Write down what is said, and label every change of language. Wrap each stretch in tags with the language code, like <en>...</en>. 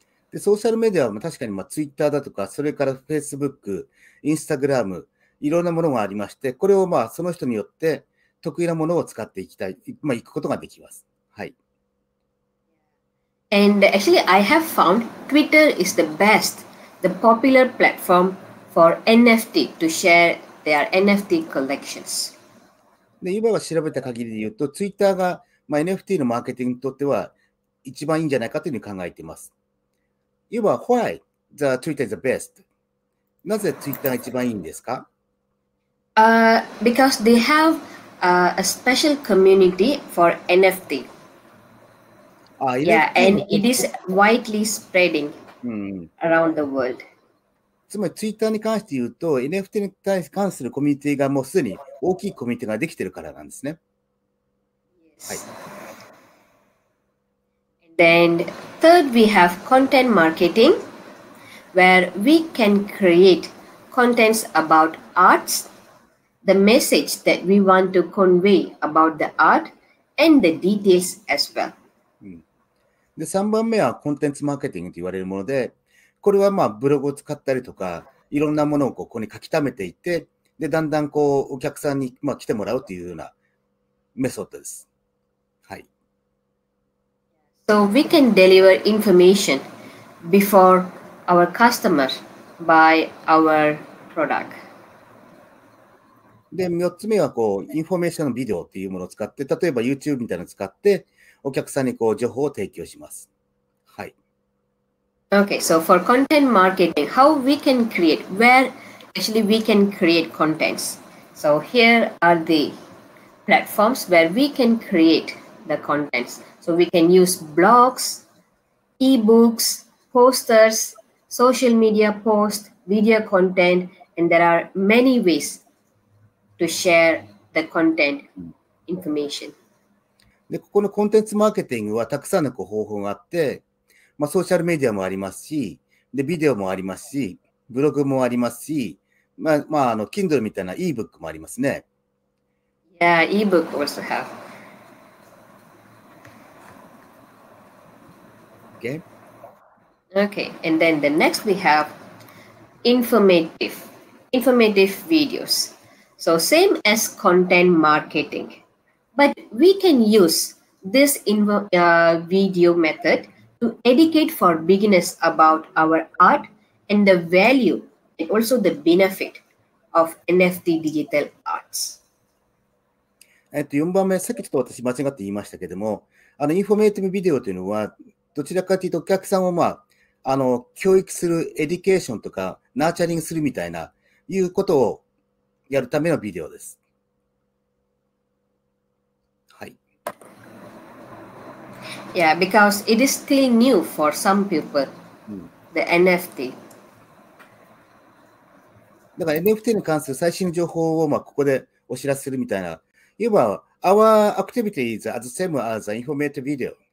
<ja>で、ソーシャルメディアは確かに、まあ、Twitter だとか、それから Facebook、Instagram、いろんなものがありまして、これを、まあ、その人によって得意なものを使っていきたい、まあ、行くことができます。はい。</ja> <en>And actually, I have found Twitter is the best, the popular platform for NFT to share their NFT collections.</en> <ja>で、今は調べた限りで言うと、Twitter が、まあ、NFT のマーケティングにとっては一番いいんじゃないかというふうに考えています。要は、</ja> <en>why the Twitter is the best?</en> <ja>なぜ Twitter が一番いいんですか？</ja> <en>Because they have a special community for NFT. Yeah, and it is widely spreading around the world.</en> <ja>つまり Twitter に関して言うと、NFT に関するコミュニティがもうすでに大きいコミュニティができているからなんですね。はい。</ja> <en>Then third, we have content marketing, where we can create contents about arts, the message that we want to convey about the art, and the details as well.</en> <ja>で、3番目はコンテンツマーケティングと言われるもので、これはまあブログを使ったりとか、いろんなものをここに書き溜めていって、で、だんだんこうお客さんにまあ来てもらうというようなメソッドです。</ja> <en>So we can deliver information before our customers buy our product.</en> <ja>で、4つ目はこう、インフォメーションのビデオっていうものを使って、例えば YouTube みたいなのを使って、お客さんにこう情報を提供します。はい。</ja> <en>Okay, so for content marketing, how we can create, where actually we can create contents. So here are the platforms where we can create the contents. So we can use blogs, ebooks, posters, social media posts, video content, and there are many ways to share the content information.</en> <ja>で、ここのコンテンツマーケティングはたくさんのこう方法があって、まあ、ソーシャルメディアもありますし、で、ビデオもありますし、ブログもありますし、まあ、まあ、あの、Kindle みたいな ebook もありますね。</ja> <en>Yeah, ebook also have. Okay, and then the next we have informative videos. So same as content marketing, but we can use this video method to educate for beginners about our art and the value and also the benefit of NFT digital arts.</en> <ja>4番目、さっきちょっと私間違って言いましたけども、あのインフォメーティブビデオというのはどちらかというとお客さんを、まあ、あの教育するエディケーションとかナーチャリングするみたいないうことをやるためのビデオです。はい。</ja> <en>Yeah, because it is still new for some people, the NFT.</en> <ja>だから NFT に関する最新の情報をまあここでお知らせするみたいな。いわば、</ja> <en>Our activity is as same as an informative video.</en>